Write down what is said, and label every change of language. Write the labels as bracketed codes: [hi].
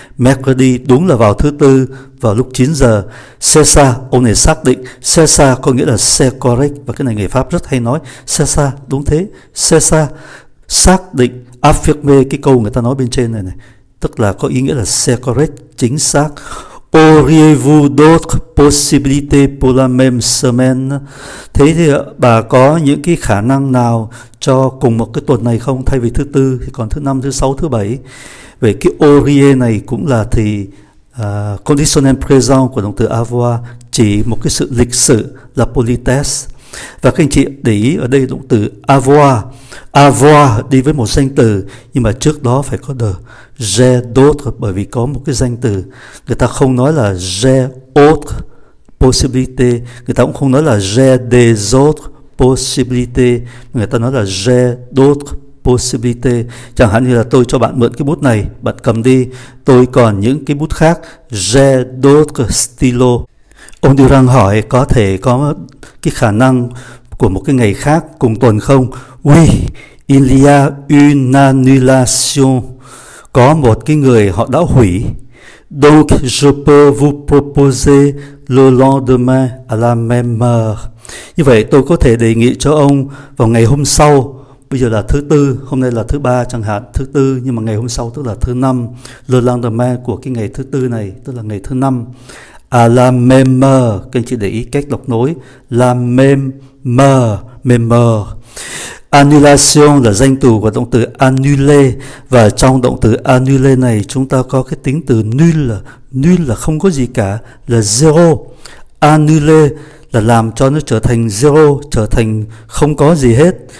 [vi] Mercredi đúng là vào thứ tư vào lúc 9 giờ. [fr] C'est ça, [vi] ông này xác định. [fr] C'est ça [vi] có nghĩa là [fr] c'est correct, [vi] và cái này người Pháp rất hay nói. C'est ça, đúng thế. C'est ça, xác định, affirmer cái câu người ta nói bên trên này này. Tức là có ý nghĩa là [fr] c'est correct, [vi] chính xác. [fr] Auriez-vous d'autres possibilités pour la même semaine? [vi] Thế thì bà có những cái khả năng nào cho cùng một cái tuần này không? Thay vì thứ tư thì còn thứ năm, thứ sáu, thứ bảy. Về cái auriez này cũng là thì conditionnel present của động từ avoir, chỉ một cái sự lịch sự là politesse. Và các anh chị để ý ở đây động từ avoir, avoir đi với một danh từ nhưng mà trước đó phải có the, j'ai d'autres, bởi vì có một cái danh từ. Người ta không nói là [fr] j'ai autre possibilité, [vi] người ta cũng không nói là [fr] j'ai des autres possibilités, [vi] người ta nói là [fr] j'ai d'autres possibilités. [vi] Chẳng hạn như là tôi cho bạn mượn cái bút này, bạn cầm đi, tôi còn những cái bút khác, [fr] j'ai d'autres stylos. [vi] Ông Durand hỏi có thể có cái khả năng của một cái ngày khác cùng tuần không? [fr] Oui, il y a une annulation. [vi] Có một cái người họ đã hủy. [fr] Donc, je peux vous proposer le lendemain à la même heure. [vi] Như vậy, tôi có thể đề nghị cho ông vào ngày hôm sau. Bây giờ là thứ tư, hôm nay là thứ ba chẳng hạn, thứ tư, nhưng mà ngày hôm sau tức là thứ năm, [fr] le lendemain [vi] của cái ngày thứ tư này, tức là ngày thứ năm. [fr] À la même heure, [vi] các anh chị để ý cách đọc nối, [fr] la même heure, même heure. [vi] Annulation là danh từ của động từ annuler, và trong động từ annuler này chúng ta có cái tính từ nul, nul là không có gì cả, là zero. Annuler là làm cho nó trở thành zero, trở thành không có gì hết.